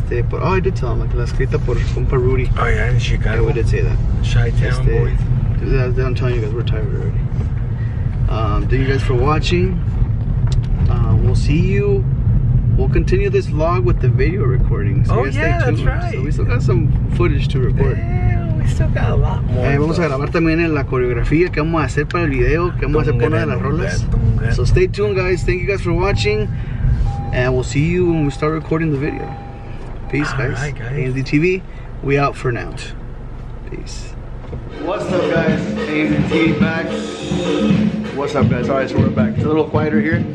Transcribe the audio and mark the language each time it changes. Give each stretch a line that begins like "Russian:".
English: Por, oh, I did tell them, like,
Spanish: la escrita por compa Rudy.
English: Oh, yeah, in Chicago. Yeah, we did say that. Chi-town, boys. I'm telling you guys, we're tired already. Thank you guys for watching. We'll see you. We'll continue this vlog with the video recording. So oh yeah, stay tuned. That's right. So we still got some footage to record. Yeah, we still got a lot more.
Spanish: Vamos stuff. A grabar también en la coreografía que vamos a hacer para el video, que vamos a hacer por una de las rolas.
English: So stay tuned, guys. Thank you guys for watching, and we'll see you when we start recording the video. Peace, guys. All right, guys. AMZTV, we out for now. Peace. What's up, guys? AMZTV back. What's up, guys? All right, so we're back. It's a little quieter here.